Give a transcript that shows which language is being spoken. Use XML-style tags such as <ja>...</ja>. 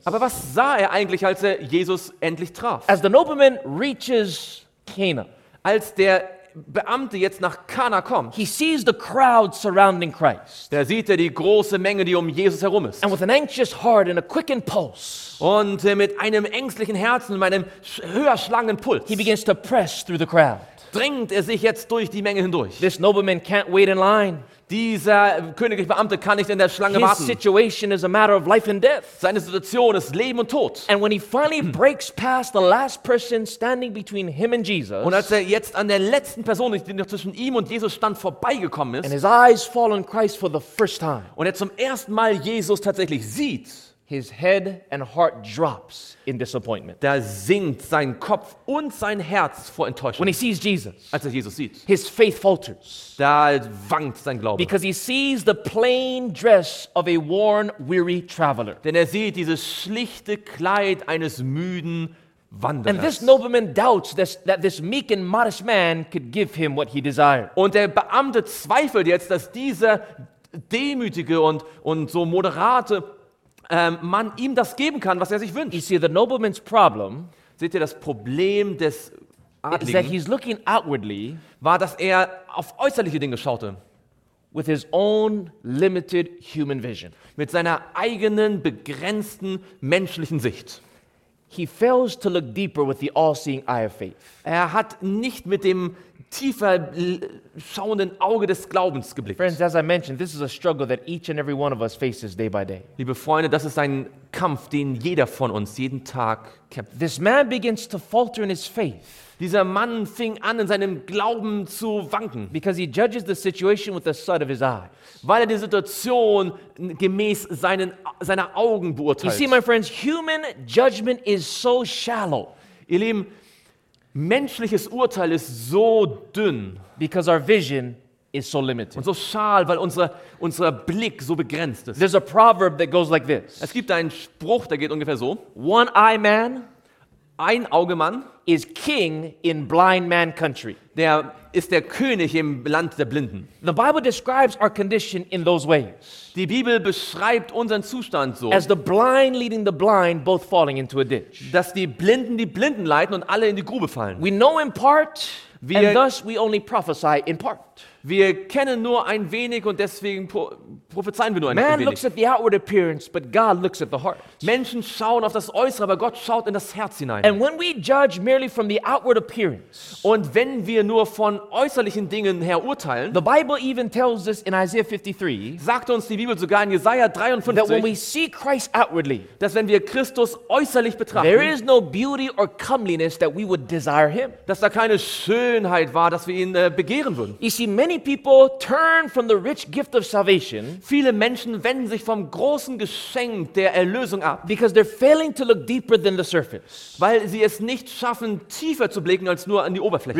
<de>Aber was sah er eigentlich, als er Jesus endlich traf?</de> <en>As the nobleman reaches Cana,</en> <de>als der Beamte jetzt nach Kana kommt,</de> <en>he sees the crowd surrounding Christ.</en> <de>Da sieht er die große Menge, die um Jesus herum ist.</de> <en>And with an anxious heart and a quickened pulse,</en> <de>und mit einem ängstlichen Herzen und einem höher schlagenden Puls,</de> <en>he begins to press through the crowd.</en> <de>Drängt er sich jetzt durch die Menge hindurch.</de> <en>This nobleman can't wait in line.</en> <de>Dieser königliche Beamte kann nicht in der Schlange</de> <en>His</en> <de>warten.</de> <en>Situation is a matter of life and death.</en> <de>Seine Situation ist Leben und Tod.</de> <en>And when he finally breaks past the last person standing between him and Jesus,</en> <de>und als er jetzt an der letzten Person, die noch zwischen ihm und Jesus stand, vorbeigekommen ist,</de> <en>and his eyes fall on Christ for the first time,</en> <de>und er zum ersten Mal Jesus tatsächlich sieht,</de> <en>his head and heart drops in disappointment.</en> <de>Da sinkt sein Kopf und sein Herz vor Enttäuschung.</de> <en>When he sees Jesus,</en> <de>als er Jesus sieht,</de> <en>his faith falters.</en> <de>Da wankt sein Glaube.</de> <en>Because he sees the plain dress of a worn, weary traveler.</en> <de>Denn er sieht dieses schlichte Kleid eines müden Wanderers.</de> <en>And this nobleman doubts that this meek and modest man could give him what he desired.</en> <de>Und der Beamte zweifelt jetzt, dass dieser demütige und so moderate man ihm das geben kann, was er sich wünscht.</de> <en>You see, the nobleman's problem,</en> <de>seht ihr das Problem des Adligen,</de> <en>is that he's looking outwardly,</en> <de>war, dass er auf äußerliche Dinge schaute.</de> <en>With his own limited human vision.</en> <de>Mit seiner eigenen begrenzten menschlichen Sicht.</de> <en>He fails to look deeper with the all-seeing eye of faith.</en> <de>Er hat nicht mit dem tiefer schauenden Auge des Glaubens geblickt.</de> <en>Friends, as I mentioned, this is a struggle that each and every one of us faces day by day.</en> <de>Liebe Freunde, das ist ein Kampf, den jeder von uns jeden Tag kämpft.</de> <en>This man begins to falter in his faith.</en> <de>Dieser Mann fing an, in seinem Glauben zu wanken.</de> <en>Because he judges the situation with the sight of his eyes.</en> <de>Weil er die Situation gemäß seiner Augen beurteilt.</de> <en>You see, my friends, human judgment is so shallow.</en> <de>Ihr Lieben, menschliches Urteil ist so dünn.</de> <en>Because our vision is so limited.</en> <de>Und so schal, weil unser Blick so begrenzt ist.</de> <en>There's a proverb that goes like this.</en> <de>Es gibt einen Spruch, der geht ungefähr so.</de> <en>One eye man.</en> <de>Ein Auge Mann.</de> <en>Is king in blind man country.</en> <de>Der ist der König im Land der Blinden.</de> <en>The Bible describes our condition in those ways.</en> <de>Die Bibel beschreibt unseren Zustand so.</de> <en>As the blind leading the blind, both falling into a ditch.</en> <de>Dass die Blinden leiten und alle in die Grube fallen.</de> <en>We know in part, and thus we only prophesy in part.</en> <de>Wir kennen nur ein wenig und deswegen prophezeien wir nur ein</de> <en>man</en> <de>wenig.</de> <en>Man looks at the outward appearance, but God looks at the heart.</en> <de>Menschen schauen auf das Äußere, aber Gott schaut in das Herz hinein.</de> <en>And when we judge merely from the outward appearance,</en> <de>und wenn wir nur von äußerlichen Dingen her urteilen,</de> <en>the Bible even tells us in Isaiah 53,</en> <de>sagt uns die Bibel sogar in Jesaja 53,</de> <en>that when we see Christ outwardly,</en> <de>dass wenn wir Christus äußerlich betrachten,</de> <en>there is no beauty or comeliness that we would desire him.</en> <de>Dass da keine Schönheit war, dass wir ihn begehren würden.</de> <en>You see, many people turn from the rich gift of salvation.</en> <de>Viele Menschen wenden sich vom großen Geschenk der Erlösung ab,</de> <en>because they're failing to look deeper than the surface.</en> <de>Weil sie es nicht schaffen, tiefer zu blicken als nur an die Oberfläche.</de>